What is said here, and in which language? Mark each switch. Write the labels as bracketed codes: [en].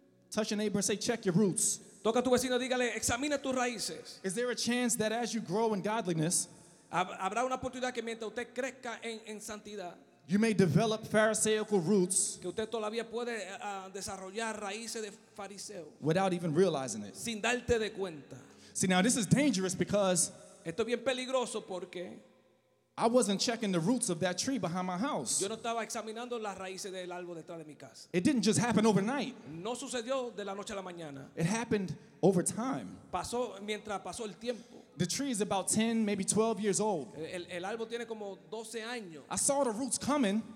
[en] Touch your neighbor and say, check your roots. [es] Toca tu vecino, dígale, examina tus raíces. [en] Is there a chance that as you grow in godliness, [es] habrá una oportunidad que mientras usted crezca en santidad, [en] you may develop Pharisaical roots [es] que usted todavía puede, desarrollar raíces de fariseo [en] without even realizing it. [es] Sin darte de cuenta. [en] See, now this is dangerous because [es] esto es bien peligroso porque [en] I wasn't checking the roots of that tree behind my house. [es] Yo no estaba examinando las raíces del árbol detrás de mi casa. [en] It didn't just happen overnight. [es] No sucedió de la noche a la mañana. [en] It happened over time. [es] Pasó mientras pasó el tiempo. [en] The tree is about 10, maybe 12 years old. [es] El árbol tiene como 12 años. [en] I saw the roots coming.